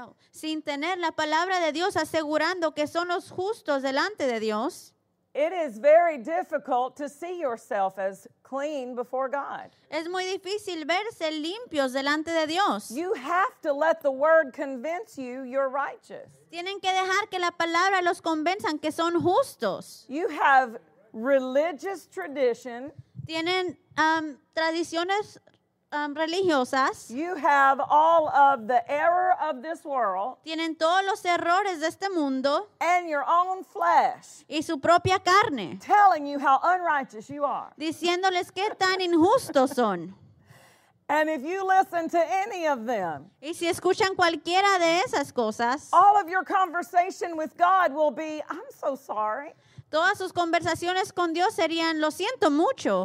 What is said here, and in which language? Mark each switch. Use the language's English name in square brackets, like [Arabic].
[Spanish] Sin tener la palabra de Dios asegurando que son los justos delante de Dios. [English] It is very difficult to see yourself as clean before God. [Spanish] Es muy difícil verse limpios delante de Dios. [English] You have to let the word convince you you're righteous. [Spanish] Tienen que dejar que la palabra los convenzan que son justos. [English] You have religious tradition. [Spanish] Tienen tradiciones religiosas. [English] You have all of the error of this world. [Spanish] Tienen todos los errores de este mundo. [English] And your own flesh. [Spanish] Y su propia carne. [English] Telling you how unrighteous you are. [Spanish] Diciéndoles qué tan injustos son. [English] And if you listen to any of them, [Spanish] y si escuchan cualquiera de esas cosas, [English] all of your conversation with God will be, I'm so sorry. [Spanish] Todas sus conversaciones con Dios serían, lo siento mucho.